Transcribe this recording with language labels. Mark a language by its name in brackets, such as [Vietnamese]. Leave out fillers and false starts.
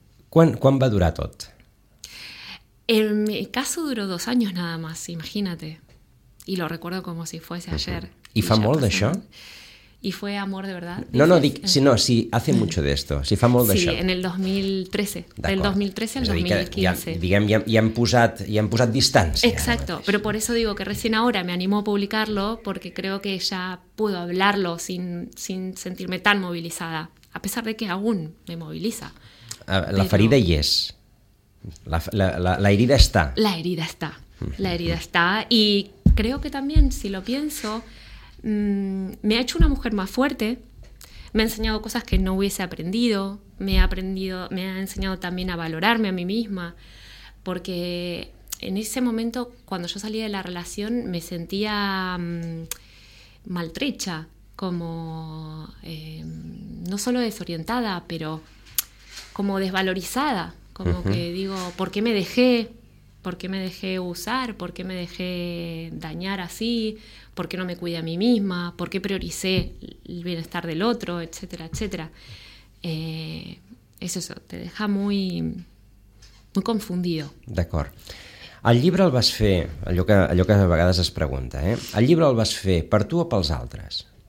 [Spanish] ¿Cuán va a durar todo? En mi caso duró 2 años nada más, imagínate. Y lo recuerdo como si fuese ayer. [Catalan] Uh-huh. ¿Y fa molt d'això? [Spanish] ¿Y fue amor de verdad? No, no, sí, hace mucho de esto. [Catalan] Si fa molt d'això. [Spanish] Sí, en el 2013. D'acord. Del 2013 al 2015. [Catalan] Diguem, ja hem posat distància. [Spanish] Exacto, pero por eso digo que recién ahora me animo a publicarlo, porque creo que ya puedo hablarlo sin sentirme tan movilizada, a pesar de que aún me moviliza. [Catalan] La ferida hi és. La herida està. La herida està. La herida està. [Spanish] Y creo que también, si lo pienso, me ha hecho una mujer más fuerte, me ha enseñado cosas que no hubiese aprendido, me ha enseñado también a valorarme a mí misma, porque en ese momento, cuando yo salí de la relación, me sentía maltrecha, como no solo desorientada, pero como desvalorizada, como uh-huh. que digo, ¿por qué me dejé usar? ¿Por qué me dejé dañar así? ¿Por qué no me cuidé a mí misma? ¿Por qué prioricé el bienestar del otro? Etcétera, etcétera. Es eso, te deja muy, muy confundido. [Catalan] D'acord. El llibre el vas fer, allò que a vegades es pregunta, ¿eh? ¿El llibre el vas fer per tu o pels altres?